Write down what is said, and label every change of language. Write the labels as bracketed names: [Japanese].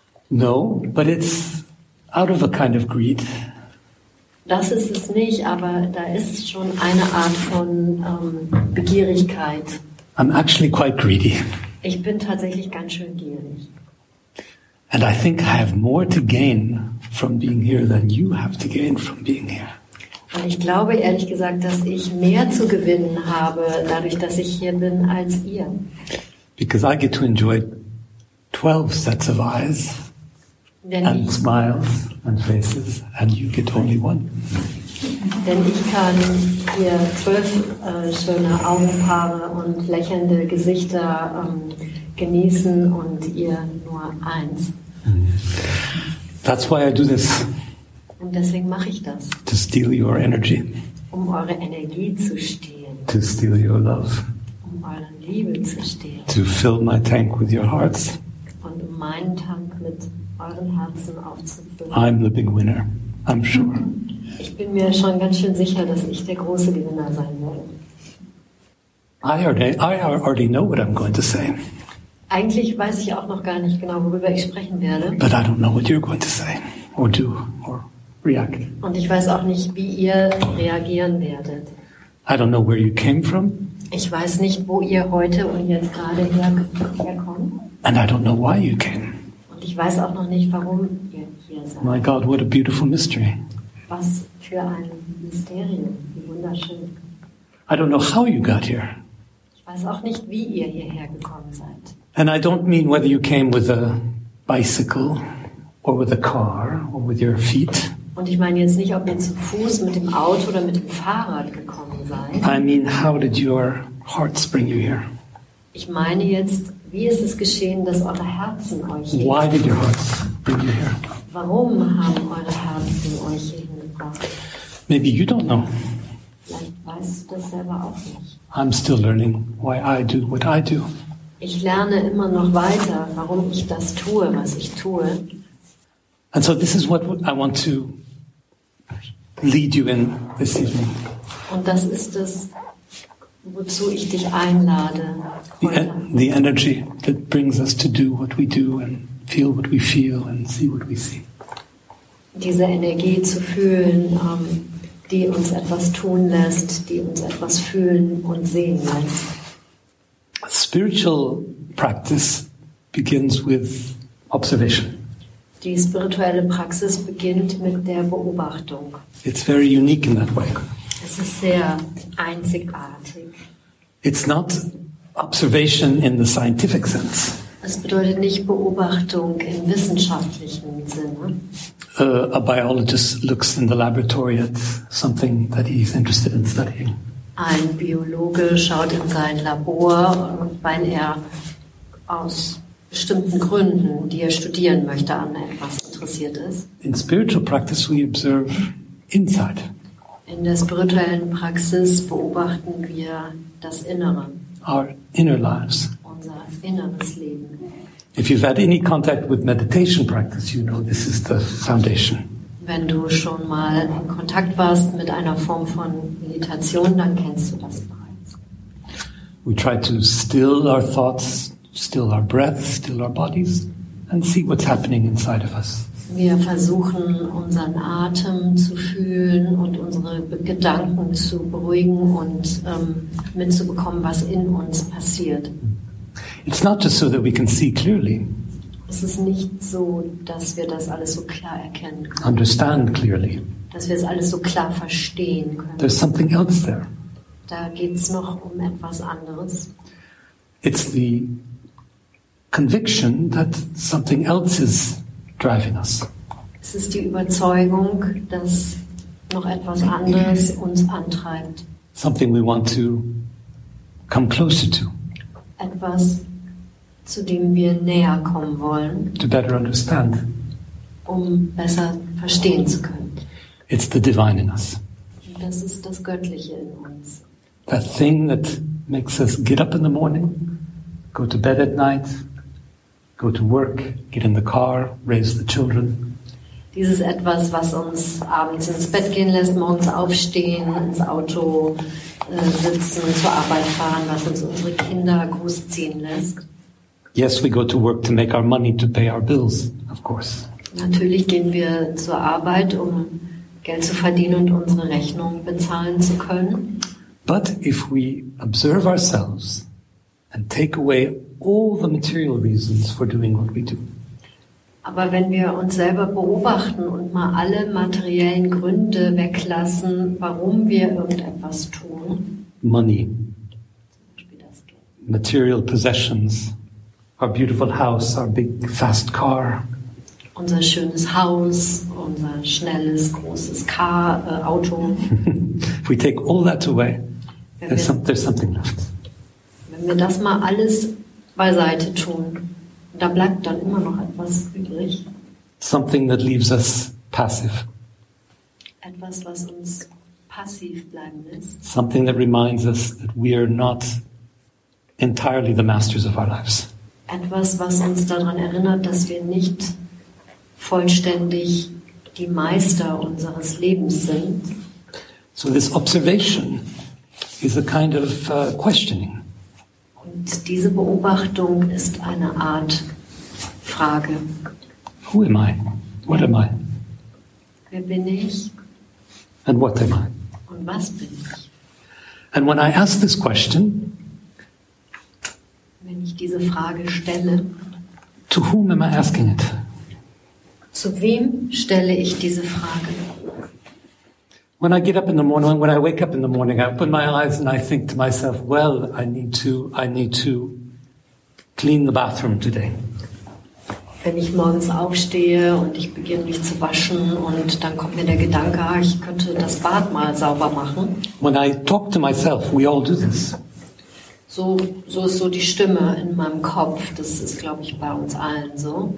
[English] No, but it's out of a kind of greed. [German] Das ist es nicht, aber da ist schon eine Art von Begierigkeit. [English] I'm actually quite greedy. [German] Ich bin tatsächlich ganz schön gierig. [English] And I think I have more to gain from being here than you have to gain from being here. [German] Und ich glaube ehrlich gesagt, dass ich mehr zu gewinnen habe, dadurch, dass ich hier bin, als ihr. [English] Because I get to enjoy 12 sets of eyes. And smiles and faces, and you get only one. [German] Denn ich kann hier 12 schöne Augenpaare und lächelnde Gesichter genießen und ihr nur eins. [English] That's why I do this. [German] Und deswegen mache ich das. [English] To steal your energy. [German] Um eure Energie zu stehlen. [English] To steal your love. [German] Um eure Liebe zu stehlen. [English] To fill my tank with your hearts. [German] Und um meinen Tank mit euren Herzen aufzufüllen. [English] I'm the big winner, I'm sure. [German] Ich bin mir schon ganz schön sicher, dass ich der große Gewinner sein werde. [English] I already know what I'm going to say. [German] Eigentlich weiß ich auch noch gar nicht genau, worüber ich sprechen werde. [English] But I don't know what you're going to say or do or react. [German] Und ich weiß auch nicht, wie ihr reagieren werdet. [English] I don't know where you came from. [German] Ich weiß nicht, wo ihr heute und jetzt gerade herkommt. [English] And I don't know why you came. [German] Ich weiß auch noch nicht, warum ihr hier seid. [English] My God, what a beautiful mystery. [German] Was für ein Mysterium, wie wunderschön. [English] I don't know how you got here. [German] Ich weiß auch nicht, wie ihr hierher gekommen seid. [English] And I don't mean whether you came with a bicycle or with a car or with your feet. [German] Und ich meine jetzt nicht, ob ihr zu Fuß, mit dem Auto oder mit dem Fahrrad gekommen seid. [English] I mean, how did your hearts bring you here? [German] Ich meine jetzt, wie ist es geschehen, dass eure Herzen euch hierher gebracht haben? [English] Why did your hearts bring you here? [German] Warum haben eure Herzen euch hierher gebracht? [English] Maybe you don't know. [German] Vielleicht weißt du das selber auch nicht. [English] I'm still learning why I do what I do. [German] Ich lerne immer noch weiter, warum ich das tue, was ich tue. [English] And so this is what I want to lead you in this evening. [German] Und das ist es, wozu ich dich einlade. [English] The energy that brings us to do what we do and feel what we feel and see what we see. [German] Diese Energie zu fühlen, die uns etwas tun lässt, die uns etwas fühlen und sehen lässt. [English] Spiritual practice begins with observation. [German] Die spirituelle Praxis beginnt mit der Beobachtung. [English] It's very unique in that way. [German] Es ist sehr einzigartig. [English] It's not observation in the scientific sense. [German] Das bedeutet nicht Beobachtung im wissenschaftlichen Sinne. [English] A biologist looks in the laboratory at something that he's interested in studying. [German] Ein Biologe schaut in sein Labor, weil er aus bestimmten Gründen, die er studieren möchte, an etwas interessiert ist. [English] In spiritual practice we observe inside. [German] In der spirituellen Praxis beobachten wir das Innere. [English] Our inner lives. [German] Unser inneres Leben. [English] If you've had any contact with meditation practice, you know this is the foundation. [German] Wenn du schon mal in Kontakt warst mit einer Form von Meditation, dann kennst du das bereits. [English] We try to still our thoughts, still our breath, still our bodies, and see what's happening inside of us. [German] Wir versuchen, unseren Atem zu fühlen und unsere Gedanken zu beruhigen und mitzubekommen, was in uns passiert. [English] It's not just so that we can see clearly. [German] Es ist nicht so, dass wir das alles so klar erkennen können. [English] Understand clearly. [German] Dass wir es alles so klar verstehen können. [English] There's something else there. [German] Da geht's noch um etwas anderes. [English] It's the conviction that something else is driving us. [German] Es ist die Überzeugung, dass noch etwas anderes uns antreibt. [English] Something we want to come closer to. [German] Etwas, zu dem wir näher kommen wollen. [English] To better understand. [German] Um besser verstehen zu können. [English] It's the divine in us. [German] Das ist das Göttliche in uns. [English] That thing that makes us get up in the morning, go to bed at night, go to work, get in the car, raise the children. [German] Dieses Etwas, was uns abends ins Bett gehen lässt, morgens aufstehen, ins Auto sitzen, zur Arbeit fahren, was uns unsere Kinder großziehen lässt. [English] Yes, we go to work to make our money to pay our bills, of course. [German] Natürlich gehen wir zur Arbeit, um Geld zu verdienen und unsere Rechnungen bezahlen zu können. [English] But if we observe ourselves and take away all the material reasons for doing what we do. [German] Aber wenn wir uns selber beobachten und mal alle materiellen Gründe weglassen, warum wir irgendetwas tun. [English] Money. Material possessions. Our beautiful house, our big fast car. [German] Unser schönes Haus, unser schnelles großes Car, Auto. [English] If we take all that away, there's something left. [German] Wenn wir das mal alles beiseite tun, da bleibt dann immer noch etwas übrig. [English] Something that leaves us passive. [German] Etwas, was uns passiv bleiben lässt. [English] Something that reminds us that we are not entirely the masters of our lives. [German] Etwas, was uns daran erinnert, dass wir nicht vollständig die Meister unseres Lebens sind. [English] So this observation is a kind of questioning. [German] Und diese Beobachtung ist eine Art Frage. [English] Who am I? What am I? [German] Wer bin ich? [English] And what am I? [German] Und was bin ich? [English] And when I ask this question, [German] wenn ich diese Frage stelle, [English] to whom am I asking it? [German] Zu wem stelle ich diese Frage? [English] When I get up in the morning, when I wake up in the morning, I open my eyes and I think to myself, well, I need to clean the bathroom today. [German] Wenn ich morgens aufstehe und ich beginne mich zu waschen und dann kommt mir der Gedanke, ich könnte das Bad mal sauber machen. [English] When I talk to myself, we all do this. [German] So ist so die Stimme in meinem Kopf. Das ist, glaube ich, bei uns allen so.